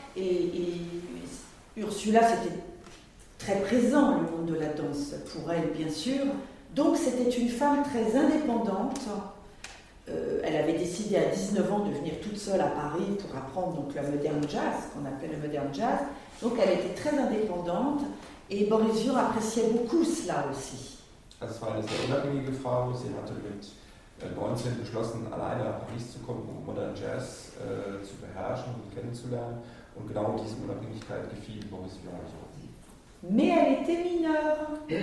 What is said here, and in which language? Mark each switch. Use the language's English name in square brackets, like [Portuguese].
[French] Et Ursula, c'était très présent le monde de la danse pour elle, bien sûr. Donc c'était une femme très indépendante, Elle avait décidé à 19 ans de venir toute seule à Paris pour apprendre donc le moderne jazz, ce qu'on appelle le moderne jazz. Donc elle était très indépendante et Boris Vian appréciait beaucoup cela aussi. [German] Das war eine sehr unabhängige Frau. Sie hatte mit 19 beschlossen, alleine nach Paris zu kommen, um modernen Jazz zu beherrschen und kennenzulernen. Und genau diese Unabhängigkeit gefiel Boris Vian auch. [French] Mais elle était mineure.